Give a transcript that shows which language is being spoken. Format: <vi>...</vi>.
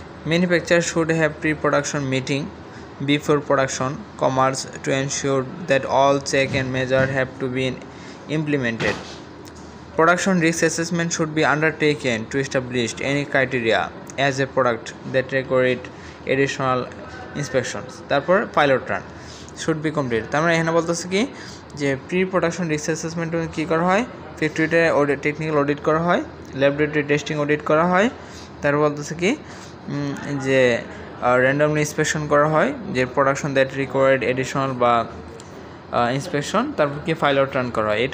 <en>Manufacture should have pre production meeting before production commerce to ensure that all check and measure have to be implemented. Production risk assessment should be undertaken to establish any criteria as a product that required additional inspections. তারপর pilot run should be complete.</en> <bn>তার মানে এখানে বলতেছে কি যে pre production risk assessment কী করা হয়, ফ্যাক্টরিতে অডিট, টেকনিক্যাল অডিট করা হয়, ল্যাবরেটরি টেস্টিং অডিট করা হয়, তারপর বলতেছে কি যে র্যান্ডমলি ইন্সপেকশন করা হয় যে প্রোডাকশন দ্যাট রিকোয়ার্ড এডিশনাল বা ইন্সপেকশন, তারপর কি পাইলট রান করা হয়।</bn>